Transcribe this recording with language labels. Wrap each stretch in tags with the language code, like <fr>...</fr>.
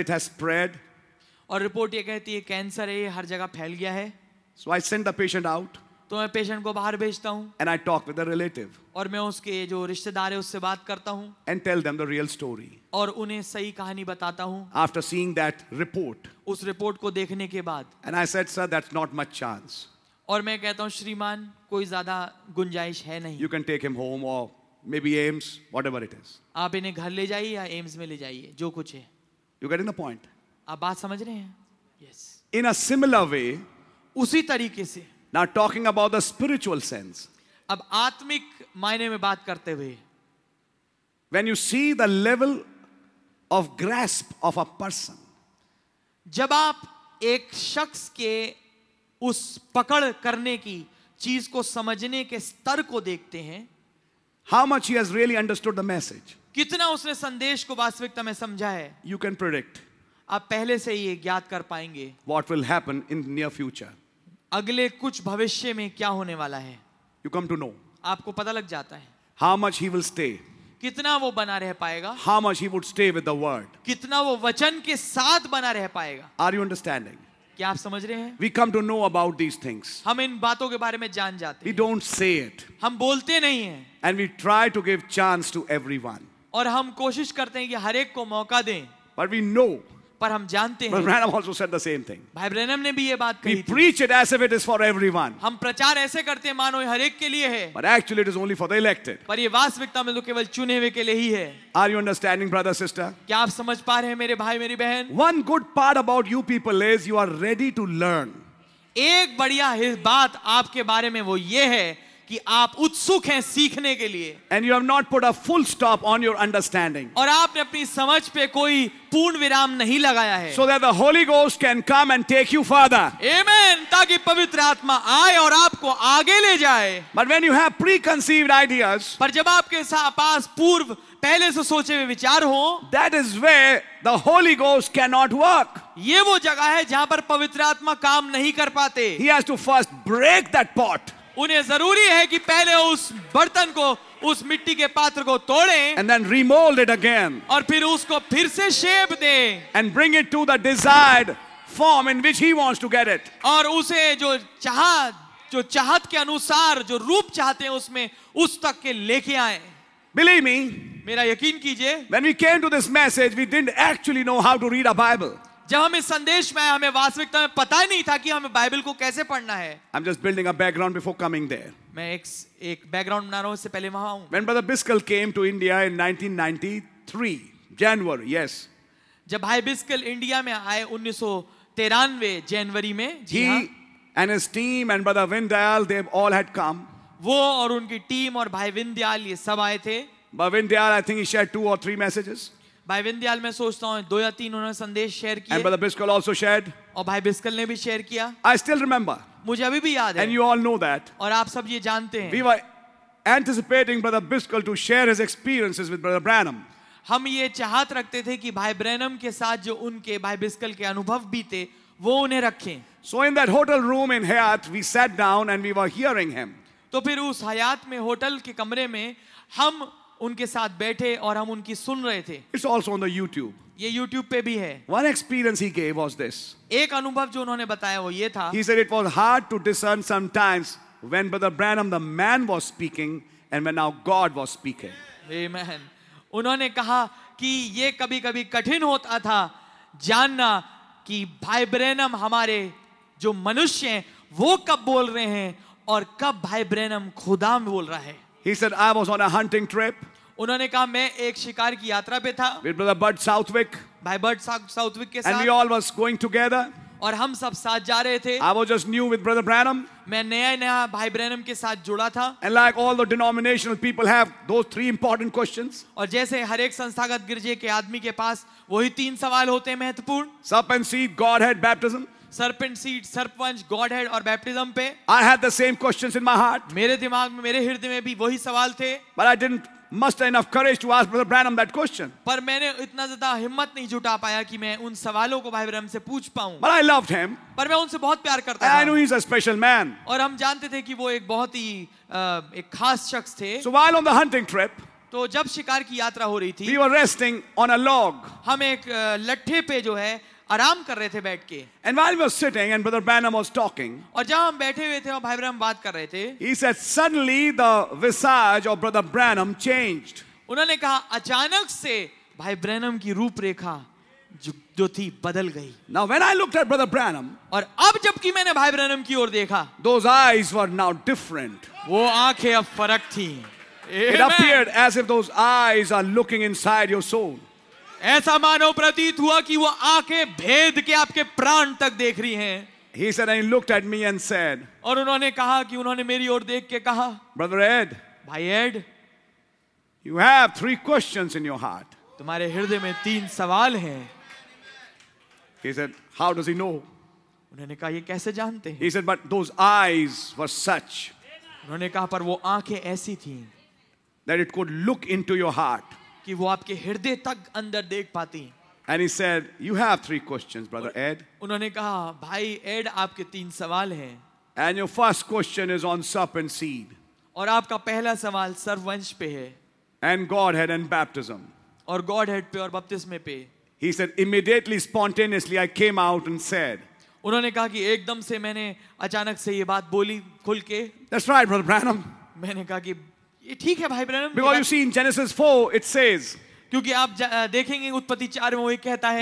<en>It has spread.</en> <hi>और report ये कहती है कैंसर है, ये हर जगह फैल गया है.</hi> <en>So I send the patient out.</en> <hi>तो मैं पेशेंट को बाहर भेजता हूँ.</hi> <en>And I talk with the relative.</en> <hi>और मैं उसके जो रिश्तेदार है उससे बात करता हूँ.</hi> <en>And tell them the real story.</en> <hi>और उन्हें सही कहानी बताता हूँ.</hi> <en>After seeing that report.</en> <hi>उस रिपोर्ट को देखने के बाद.</hi> <en>And I said, sir, that's not much chance.</en> <hi>और मैं कहता हूँ श्रीमान कोई ज्यादा गुंजाइश है नहीं.</hi> <en>You can take him home or maybe AIIMS, whatever it is.</en> <hi>आप इन्हें घर ले जाइए या AIIMS में ले जाइए, जो कुछ है.</hi> <en>You getting the point?</en> <hi>आप बात समझ रहे हैं? Yes.</hi> <en>In a similar way.</en> <hi>उसी तरीके से.</hi> <en>Now talking about the spiritual sense.</en> <hi>अब आत्मिक मायने में बात करते हुए.</hi> <en>When you see the level of grasp of a person.</en> <hi>जब आप एक शख्स के उस पकड़ करने की चीज को समझने के स्तर को देखते हैं.</hi> <en>How much he has really understood the message.</en> <hi>कितना उसने संदेश को वास्तविकता में समझा है.</hi> <en>You can predict.</en> <hi>आप पहले से ही ज्ञात कर पाएंगे.</hi> <en>What will happen in the near future.</en> <hi>अगले कुछ भविष्य में क्या होने वाला है.</hi> <en>You come to know.</en> <hi>आपको पता लग जाता है.</hi> <en>How much he will stay.</en> <hi>कितना वो बना रह पाएगा.</hi> <en>How much he would stay with the word.</en> <hi>कितना वो वचन के साथ बना रह पाएगा.</hi> <en>Are you understanding?</en> <hi>क्या आप समझ रहे हैं?</hi> <en>We come to know about these things.</en> <hi>हम इन बातों के बारे में जान जाते</hi> <en>हैं. We don't say it.</en> <hi>हम बोलते नहीं हैं.</hi> <en>And we try to give chance to everyone.</en> <hi>और हम कोशिश करते हैं कि हर एक को मौका दें.</hi> <en>But we know.</en> <hi>पर हम जानते हैं.</hi> <en>Branham also said the same thing.</en> <hi>भाई ब्रैनम ने भी ये बात कही.</hi> <en>We preach it as if it is for everyone.</en> <hi>हम प्रचार ऐसे करते हैं मानो हर एक के लिए है.</hi> <en>But actually it is only for the elected.</en> <hi>पर ये वास्तविकता में तो केवल चुने हुए के लिए ही है.</hi> <en>Are you understanding, brother, sister?</en> <hi>क्या आप समझ पा रहे हैं मेरे भाई मेरी बहन?</hi> <en>One good part about you people is you are ready to learn.</en> <hi>एक बढ़िया बात आपके बारे में वो ये है कि आप उत्सुक हैं सीखने के लिए.</hi> <en>And you have not put a full stop on your understanding.</en> <hi>और आपने अपनी समझ पे कोई पूर्ण विराम नहीं लगाया है.</hi> <en>So that the holy ghost can come and take you further.</en> <hi>आमेन. ताकि पवित्र आत्मा आए और आपको आगे ले जाए.</hi> <en>But when you have preconceived ideas.</en> <hi>पर जब आपके पास पूर्व पहले से सोचे हुए विचार हो.</hi> <en>That is where the holy ghost can not work.</en> <hi>ये वो जगह है जहां पर पवित्र आत्मा काम नहीं कर पाते.</hi> <en>He has to first break that pot.</en> <hi>उन्हें जरूरी है कि पहले उस बर्तन को, उस मिट्टी के पात्र को तोड़ें.</hi> <en>And then remold it again.</en> <hi>और फिर उसको फिर से शेप दें.</hi> <en>And bring it to the desired form in which he wants to get it.</en> <hi>और उसे जो चाहत के अनुसार, जो रूप चाहते हैं उसमें, उस तक के लेके आए.</hi> <en>Believe me.</en> <hi>मेरा यकीन कीजिए.</hi> <en>When we came to this message, we didn't actually know how to read a Bible.</en> <hi>जब हम इस संदेश में आए हमें वास्तविकता में पता ही नहीं था कि हमें बाइबल को कैसे पढ़ना है.</hi> <en>I'm just building a background before coming there.</en> <hi>मैं एक बैकग्राउंड बना रहा हूं इससे पहले वहां आऊं.</hi> <en>When Brother Biskal came to India in 1993, January, yes.</en> <hi>जब भाई बिस्कल इंडिया में आए 1993 जनवरी में.</hi> <en>He and his team and Brother Vindayal, they've all had come.</en> <hi>वो और उनकी टीम और भाई विंदयाल ये सब आए थे.</hi> <en>But Vindayal, I think he shared 2 or 3 messages.</en> <hi>भाई विंदयाल मैं सोचता हूँ 2 या 3 उन्होंने संदेश शेयर किया.</hi> <en>And Brother Biskal also shared.</en> <hi>और भाई बिस्कल ने भी शेयर किया.</hi> <en>I still remember.</en> <hi>मुझे अभी भी याद है.</hi> <en>And you all know that.</en> <hi>और आप सब ये जानते हैं.</hi> <en>We were anticipating Brother Biskal to share his experiences with Brother Branham.</en> <hi>हम ये चाहत रखते थे कि भाई ब्रैनम के साथ जो उनके भाई बिस्कल के अनुभव बीते वो उन्हें रखें.</hi> <en>So in that hotel room in Hayat, we sat down and we were hearing him.</en> <hi>तो फिर उस हयात में होटल के कमरे में हम उनके साथ बैठे और हम उनकी सुन रहे थे.</hi> <en>It's also on the YouTube.</en> <hi>ये YouTube पे भी है.</hi> <en>One experience he gave was this.</en> <hi>एक अनुभव जो उन्होंने बताया वो ये था.</hi> <en>He said it was hard to discern sometimes when Brother Branham, the man, was speaking and when now God was speaking. Amen.</en> <hi>उन्होंने कहा कि ये कभी-कभी कठिन होता था जानना कि भाई ब्रैनम हमारे जो मनुष्य हैं वो कब बोल रहे हैं और कब भाई ब्रैनम खुदा में बोल रहा है.</hi> <en>He said I was on a hunting trip.</en> <hi>उन्होंने कहा मैं एक शिकार की यात्रा पे था.</hi> <en>With Brother Bud Southwick.</en> <hi>भाई बर्ड साउथविक के साथ.</hi> <en>And we all was going together.</en> <hi>और हम सब साथ जा रहे थे.</hi> <en>I was just new with Brother Branham.</en> <hi>मैं नया भाई ब्रैनम के साथ जुड़ा था.</hi> <en>And like all the denominational people have those three important questions.</en> <hi>और जैसे हर एक संस्थागत गिरजे के आदमी के पास वही तीन सवाल होते हैं महत्वपूर्ण.</hi> <en>Serpent seed, Godhead, baptism.</en> <hi>Serpent seed, serpent, Godhead और baptism पे.</hi> <en>I had the same questions in my heart.</en> <hi>मेरे दिमाग में मेरे हृदय में भी वही सवाल थे.</hi> <en>But I didn't muster enough courage to ask Brother Branham that question.</en> <hi>पर मैंने इतना ज़्यादा हिम्मत नहीं जुटा पाया कि मैं उन सवालों को भाई ब्रैनम से पूछ पाऊँ.</hi> <en>But I loved him.</en> <hi>पर मैं उनसे बहुत प्यार करता था.</hi> <en>I knew he's a special man.</en> <hi>और हम जानते थे कि वो एक बहुत ही एक खास शख्स थे.</hi> <en>So while on the hunting trip.</en> <hi>तो जब शिकार की यात्रा हो रही थी.</hi> <en>We were resting on a log.</en> <hi>हम एक लट्ठे पे जो है आराम कर रहे थे बैठ के.</hi> <en>And while we were sitting and Brother Branham was talking.</en> <hi>और जब हम बैठे हुए थे और भाई ब्रैनम बात कर रहे थे.</hi> <en>He said suddenly the visage of Brother Branham changed.</en> <hi>उन्होंने कहा अचानक से भाई ब्रैनम की रूपरेखा जो थी बदल गई.</hi> <en>Now when I looked at Brother Branham.</en> <hi>और अब जबकि मैंने भाई ब्रैनम की ओर देखा.</hi> <en>Those eyes were now different.</en> <hi>वो आंखें अब फर्क थीं.</hi> <en>It appeared as if those eyes are looking inside your soul.</en> <hi>ऐसा मानो प्रतीत हुआ कि वो आंखें भेद के आपके प्राण तक देख रही हैं.</hi> <en>He said and he looked at me and said.</en> <hi>और उन्होंने कहा कि उन्होंने मेरी ओर देख के कहा.</hi> <en>Brother Ed.</en> <hi>भाई Ed.</hi> <en>You have three questions in your heart.</en> <hi>तुम्हारे हृदय में तीन सवाल हैं.</hi> <en>He said, how does he know?</en> <hi>उन्होंने कहा ये कैसे जानते हैं?</hi> <en>He said, but those eyes were such.</en> <hi>उन्होंने कहा पर वो आंखें ऐसी थीं.</hi> <en>That it could look into your heart.</en> <hi>कि वो आपके हृदय तक अंदर देख पाती.</hi> <en>And he said, you have three questions, Brother Ed.</en> <hi>उन्होंने कहा, भाई Ed, आपके तीन सवाल हैं.</hi> <en>And your first question is on serpent seed.</en> <hi>और आपका पहला सवाल सर्ववंश पे है.</hi> <en>And Godhead and baptism.</en> <hi>और Godhead पे और बपतिस्मे पे.</hi> <en>He said, immediately, spontaneously, I came out and said.</en> <hi>उन्होंने कहा कि एकदम से मैंने अचानक से ये बात बोली खुल के.</hi> <en>That's right, Brother Branham.</en> <hi>मैंने कहा कि ठीक है भाई Branham.</hi> <en>Because you see in Genesis 4 it says.</en> <hi>क्योंकि आप देखेंगे उत्पत्ति 4 में वो ये कहता है.</hi>